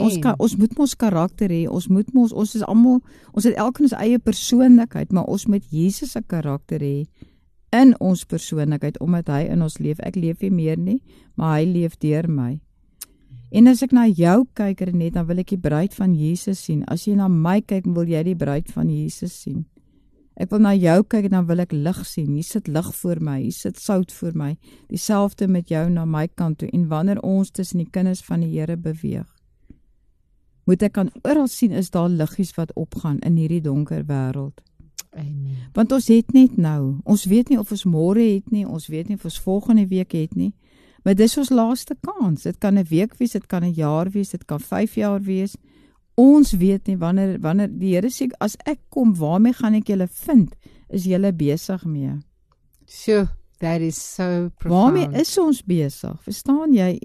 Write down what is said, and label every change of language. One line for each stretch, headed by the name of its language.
Afrikaans: ons moet ons karakter hê, ons is allemaal, ons het elke ons eie persoonlikheid, maar ons moet Jesus se karakter hê in ons persoonlikheid, omdat hy in ons leef. Ek leef nie meer nie, maar hy leef deur my. En as ek na jou kyk, Renet, dan wil ek die bruid van Jesus sien. As jy na my kyk, wil jy die bruid van Jesus sien. Ek wil na jou kyk en dan wil ek lig sien. Hier sit lig voor my, hier sit sout voor my. Dieselfde met jou na my kant toe. En wanneer ons tussen die kinders van die Here beweeg, moet ek aan oral sien, is daar liggies wat opgaan in hierdie donker wêreld. Amen. Want ons het net nou. Ons weet nie of ons môre het nie, ons weet nie of ons volgende week het nie. Maar dis ons laaste kans. Dit kan 'n week wees, dit kan 'n jaar wees, dit kan 5 jaar wees. Ons weet nie wanneer die Here sê, as ek kom, waarmee gaan ek julle vind, is julle besig mee.
English: So, that is so profound.
Afrikaans: Waarmee is ons besig? Verstaan jy?